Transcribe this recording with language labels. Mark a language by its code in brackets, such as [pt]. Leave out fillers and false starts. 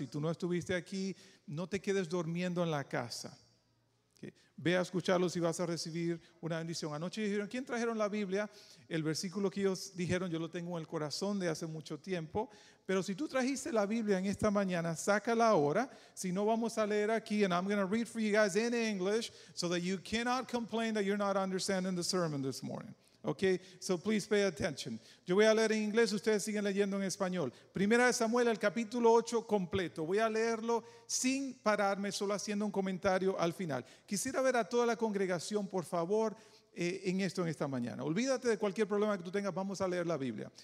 [es] Si tú no estuviste aquí, no te quedes durmiendo en la casa. Okay. Ve a escucharlos y vas a recibir una bendición. Anoche dijeron, ¿quién trajeron la Biblia? El versículo que ellos dijeron, yo lo tengo en el corazón de hace mucho tiempo. Pero si tú trajiste la Biblia en esta mañana, sácala ahora. Si no, vamos a leer aquí. [en] And I'm going to read for you guys in English so that you cannot complain that you're not understanding the sermon this morning. Okay, so please pay attention. [es] Yo voy a leer en inglés, ustedes siguen leyendo en español. Primera de Samuel, el capítulo 8 completo. Voy a leerlo sin pararme, solo haciendo un comentario al final. Quisiera ver a toda la congregación, por favor, en esta mañana. Olvídate de cualquier problema que tú tengas, vamos a leer la Biblia.